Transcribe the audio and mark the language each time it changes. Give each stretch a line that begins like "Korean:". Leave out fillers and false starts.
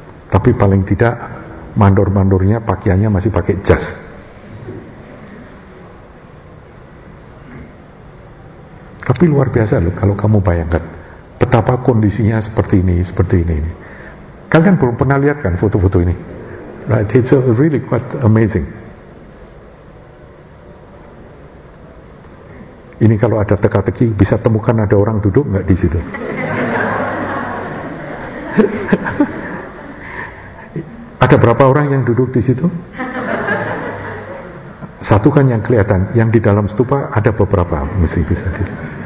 Indonesian: Tapi paling tidak mandor-mandornya pakaiannya masih pakai jas. Tapi luar biasa loh kalau kamu bayangkan betapa kondisinya seperti ini. Kalian belum pernah lihat kan foto-foto ini?
English: Right, it's really quite amazing.
Indonesian: Ini kalau ada teka-teki bisa temukan ada orang duduk nggak di situ? Ada berapa orang yang duduk di situ? Satu kan yang kelihatan, yang di dalam stupa ada beberapa mesti bisa dilihat.